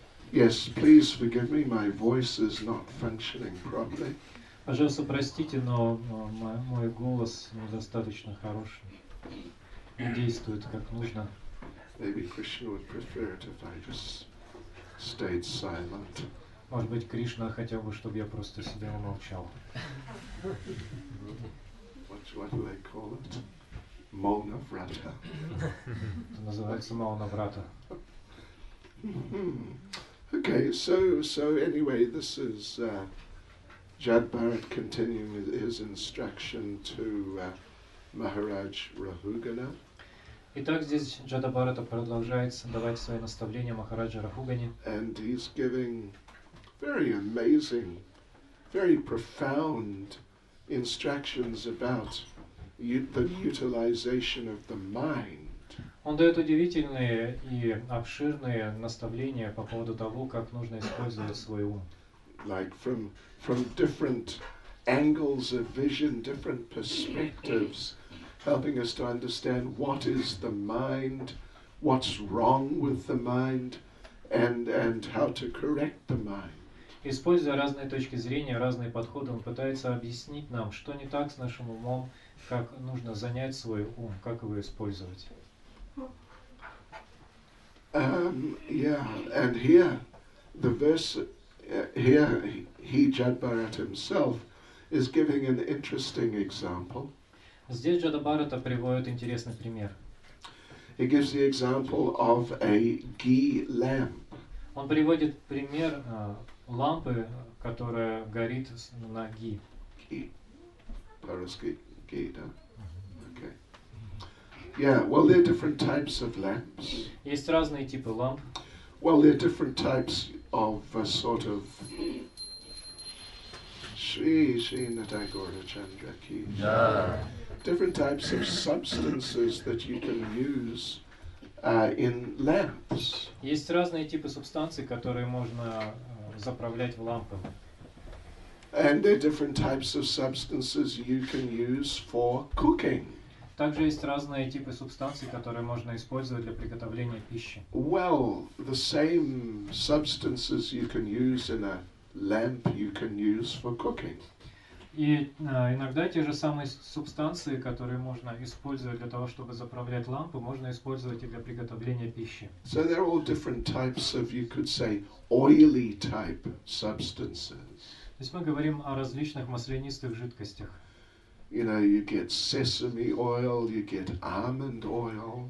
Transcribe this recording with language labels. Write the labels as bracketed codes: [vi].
[en] Yes, please forgive me, my voice is not functioning properly. [ru] Пожалуйста, простите, но мой голос недостаточно хороший. Не действует как нужно. [en] Maybe Krishna would prefer it if I just stayed silent. [ru] Может быть, Кришна хотел бы, чтобы я просто сидел и молчал. [en] What do they call it? Mauna Vrata. [ru] Это называется Мауна Врата. [en] Okay, so anyway, this is Jad Bharat continuing with his instruction to Maharaj Rahugana. [ru] Итак, здесь Джада Бхарата продолжает давать свои наставления Махараджа Рахугане. [en] And he's giving very amazing, very profound instructions about the utilization of the mind. [ru] Он дает удивительные и обширные наставления по поводу того, как нужно использовать свой ум. [en] Like from different angles of vision, different perspectives, helping us to understand what is the mind, what's wrong with the mind, and how to correct the mind. [ru] Используя разные точки зрения, разные подходы, он пытается объяснить нам, что не так с нашим умом, как нужно занять свой ум, как его использовать. [en] And here, the verse, here, he, Jad Bharat himself, is giving an interesting example. [ru] Здесь Джада Бхарата приводит интересный пример. [en] He gives the example of a ghee lamp. [ru] Он приводит пример лампы, которая горит на ghee. Ghee. По-русски ghee, да? Okay. [en] Yeah, well, there are different types of lamps. [ru] Есть разные типы ламп. [en] Well, there are different types of a sort of... Shri Natagora Chandra ki. Different types of substances that you can use in lamps. [ru] Есть разные типы субстанций, которые можно заправлять в лампы. [en] And there are different types of substances you can use for cooking. [ru] Также есть разные типы субстанций, которые можно использовать для приготовления пищи. [en] Well, the same substances you can use in a lamp you can use for cooking. [ru] И иногда те же самые субстанции, которые можно использовать для того, чтобы заправлять лампу, можно использовать и для приготовления пищи. [en] So there are all different types of, you could say, oily type substances. [ru] То есть мы говорим о различных маслянистых жидкостях. [en] You know, you get sesame oil, you get almond oil.